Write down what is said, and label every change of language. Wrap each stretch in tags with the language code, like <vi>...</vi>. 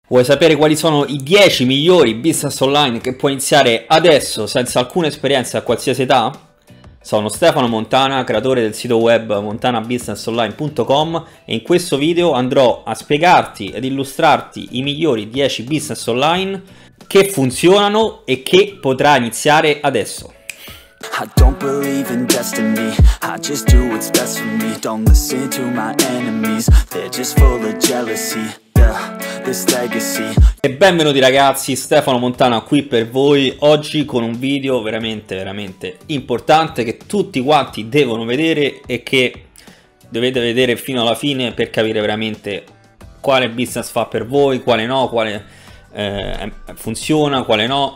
<it>Vuoi sapere quali sono i 10 migliori business online che puoi iniziare adesso senza alcuna esperienza a qualsiasi età? Sono Stefano Montana, creatore del sito web montanabusinessonline.com e in questo video andrò a spiegarti ed illustrarti i migliori 10 business online che funzionano e che potrai iniziare adesso.</it> <en>I don't believe in destiny, I just do what's best for me. Don't listen to my enemies, they're just full of jealousy. This legacy.</en> <it>E benvenuti ragazzi, Stefano Montana qui per voi oggi con un video veramente veramente importante che tutti quanti devono vedere e che dovete vedere fino alla fine per capire veramente quale business fa per voi, quale no, quale funziona, quale no.</it>